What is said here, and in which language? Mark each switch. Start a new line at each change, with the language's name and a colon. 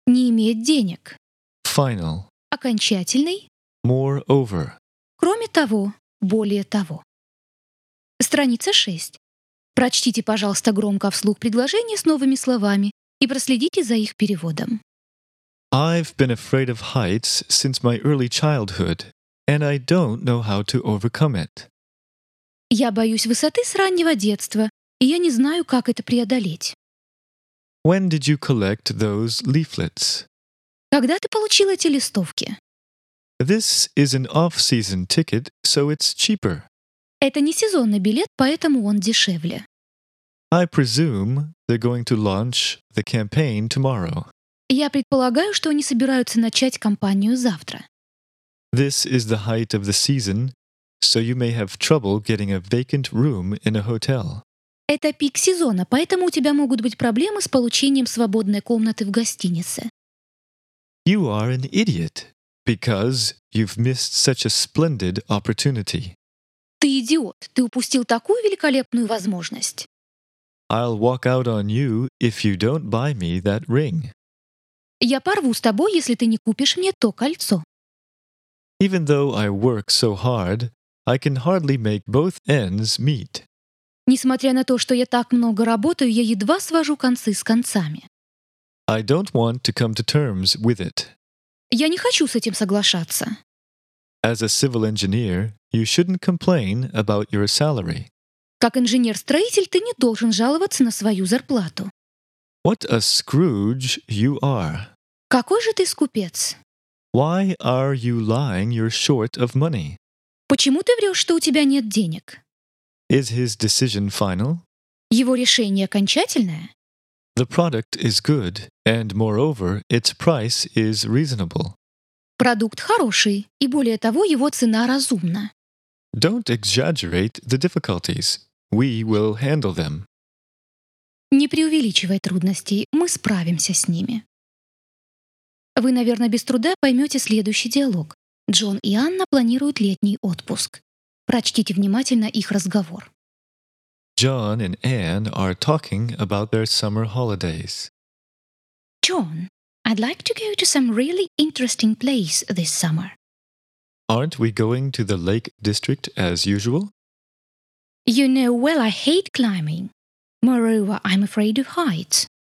Russian: Не иметь денег.
English: Final.
Russian: Окончательный.
English: Moreover.
Russian: Кроме того, более того. Страница 6. Прочтите, пожалуйста, громко вслух предложение с новыми словами и проследите за их переводом.
English: I've been afraid of heights since my early childhood, and I don't know how to overcome it.
Russian: Я боюсь высоты с раннего детства, и я не знаю, как это преодолеть.
English: When did you collect those leaflets?
Russian: Когда ты получил эти листовки?
English: This is an off-season ticket, so it's cheaper.
Russian: Это не сезонный билет, поэтому он дешевле.
English: I presume they're going to launch the campaign tomorrow.
Russian: Я предполагаю, что они собираются начать кампанию завтра.
English: This is the height of the season. So you may have trouble getting a vacant room in a hotel.
Russian: Это пик сезона, поэтому у тебя могут быть проблемы с получением свободной комнаты в гостинице.
English: You are an idiot because you've missed such a splendid opportunity.
Russian: Ты идиот, ты упустил такую великолепную возможность.
English: I'll walk out on you if you don't buy me that ring.
Russian: Я порву с тобой, если ты не купишь мне то кольцо.
English: Even though I work so hard, I can hardly make both ends meet.
Russian: Несмотря на то, что я так много работаю, я едва свожу концы с концами.
English: I don't want to come to terms with it.
Russian: Я не хочу с этим соглашаться.
English: As a civil engineer, you shouldn't complain about your salary.
Russian: Как инженер-строитель, ты не должен жаловаться на свою зарплату.
English: What a Scrooge you are.
Russian: Какой же ты скупец?
English: Why are you lying you're short of money?
Russian: Почему ты врешь, что у тебя нет денег?
English: Is his decision final?
Russian: Его решение окончательное?
English: The product is good, and moreover, its price is reasonable.
Russian: Продукт хороший, и более того, его цена разумна.
English: Don't exaggerate the difficulties. We will handle them.
Russian: Не преувеличивай трудностей, мы справимся с ними. Вы, наверное, без труда поймете следующий диалог. Джон и Анна планируют летний отпуск. Прочтите внимательно их разговор.
English: John and Anne are talking about their summer holidays. John, I'd like to go to some really interesting place this summer. Aren't we going to the Lake District as usual? You know well I hate climbing. Moreover, I'm afraid of heights.